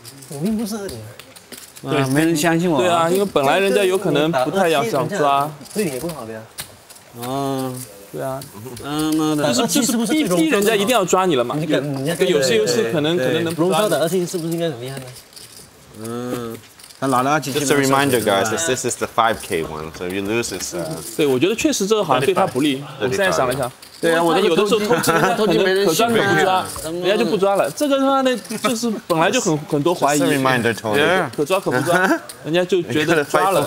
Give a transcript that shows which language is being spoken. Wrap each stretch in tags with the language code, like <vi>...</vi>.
<zh>我并不适合你。对，没人相信我。对啊，因为本来人家有可能不太要小子啊，对你也不好的呀。对啊，妈的，就是逼人家一定要抓你了嘛。你有些优势可能能。龙少的二星是不是应该很厉害呢？</zh> <en>Just a reminder, guys. This is the 5K one, so if you lose it.</en> <zh>对，我觉得确实这个好像对他不利。我现在想了一下，对啊，我有的时候偷鸡可抓可不抓，人家就不抓了。这个的话呢，就是本来就很多怀疑。</zh> <en>Reminder, Tony.</en> <zh>可抓可不抓，人家就觉得抓了。</zh>